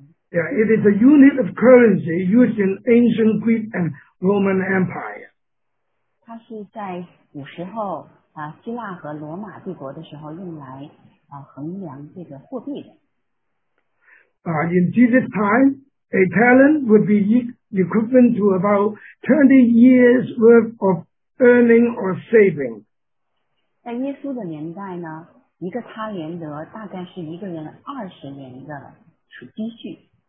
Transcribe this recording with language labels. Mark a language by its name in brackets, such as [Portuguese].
[English] Yeah, it is a unit of currency used in ancient Greek and Roman Empire. [Chinese] 它是在古时候希腊和罗马帝国的时候用来衡量这个货币的。 [English] In Jesus' time, a talent would be equivalent to about 20 years worth of earning or saving. [Chinese] 在耶稣的年代呢，一个他连德大概是一个人20年的积蓄。